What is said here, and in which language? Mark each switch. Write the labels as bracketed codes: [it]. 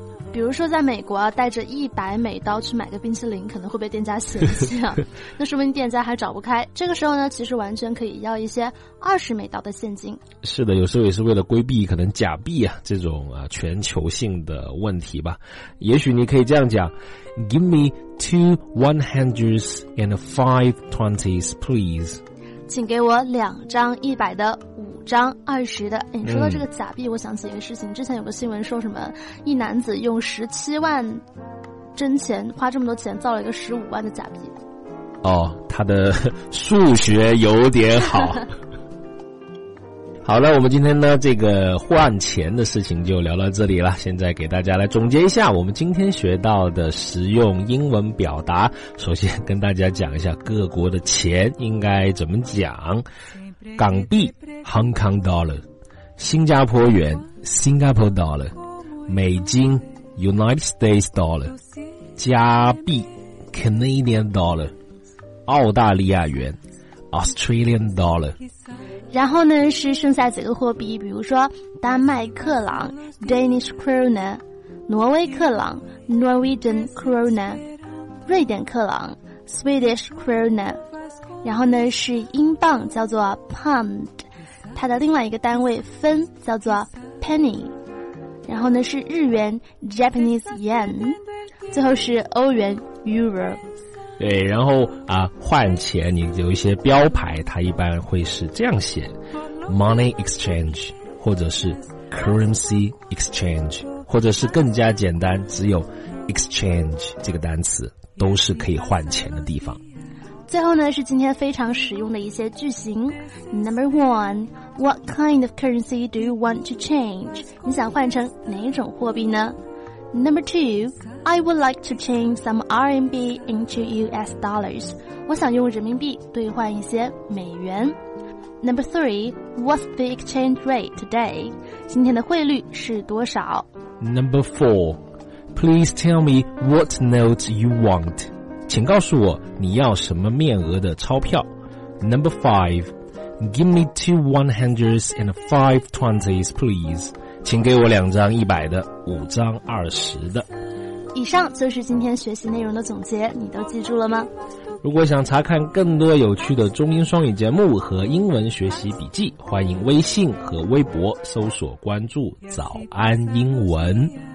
[zh] 比如说在美国带着$100去买个冰淇淋，可能会被店家嫌弃啊，那说明店家还找不开。这个时候呢，其实完全可以要一些$20的现金。是的，有时候也是为了规避可能假币啊这种啊全球性的问题吧。也许你可以这样讲 [en] Give me two 100s and 5 20s please。 [zh] 请给我$100、$50、哎，你说到这个假币，我想起一个事情。之前有个新闻说什么，一男子用17万真钱，花这么多钱造了一个15万的假币。哦，他的数学有点好。好了，我们今天呢这个换钱的事情就聊到这里了。现在给大家来总结一下我们今天学到的实用英文表达。首先跟大家讲一下各国的钱应该怎么讲。港币 Hong Kong Dollar， 新加坡元 Singapore Dollar， 美金 United States Dollar， 加币 Canadian Dollar， 澳大利亚元 Australian Dollar。然后呢是剩下几个货币，比如说丹麦克朗 Danish Krona， 挪威克朗 Norwegian Krona， 瑞典克朗 Swedish Krona。然后呢是英镑，叫做 Pound， 它的另外一个单位分叫做 Penny。然后呢是日元 Japanese Yen， 最后是欧元 Euro。对，然后啊，换钱你有一些标牌，它一般会是这样写 ，money exchange， 或者是 currency exchange， 或者是更加简单，只有 exchange 这个单词都是可以换钱的地方。最后呢是今天非常实用的一些句型。 [en] Number one, What kind of currency do you want to change? [zh] 你想换成哪种货币呢？ [en] Number two, I would like to change some RMB into US dollars. [zh] 我想用人民币兑换一些美元。 [en] Number three, What's the exchange rate today? [zh] 今天的汇率是多少？ [en] Number four, Please tell me what note you want. [zh] 请告诉我你要什么面额的钞票。 [en] Number five, Give me 2 100s and 5 20s, please. [zh] 请给我两张一百的，五张二十的。以上就是今天学习内容的总结，你都记住了吗？如果想查看更多有趣的中英双语节目和英文学习笔记，欢迎微信和微博搜索关注早安英文。